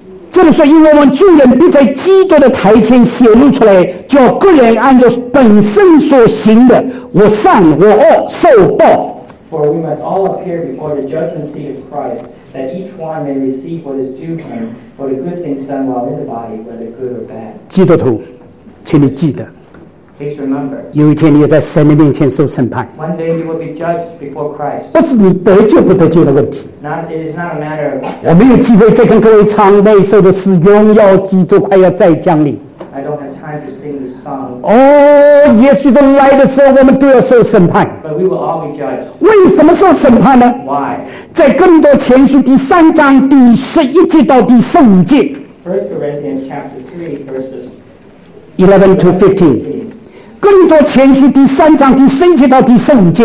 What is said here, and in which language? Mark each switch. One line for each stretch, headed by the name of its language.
Chinese: 这里说，因为我们众人必在基督的台前显露出来，叫个人按照本身所行的，我善我恶受报。
English: For we must all appear before the judgment seat of Christ, that each one may receive what is due him for the good things done while in the body, whether good or bad.
Chinese: 基督徒，请你记得。
English: Please remember.
Chinese: 有一天你要在神的面前受审判。
English: One day you will be judged before Christ.
Chinese: 不是你得救不得救的问题。
English: It is not a matter of.
Chinese: 我没有机会再跟各位唱那首的诗，荣耀基督快要再降临。
English: I don't have time to sing this song.
Chinese: 哦，耶稣的来的时候，我们都要受审判。为什么受审判呢？
English: Why?
Chinese: 在哥林多前书第三章第十一节到第十五节。
English: First Corinthians chapter 3 verses 11 to 15.
Chinese: 哥林多前书第三章第十一节到第十五节。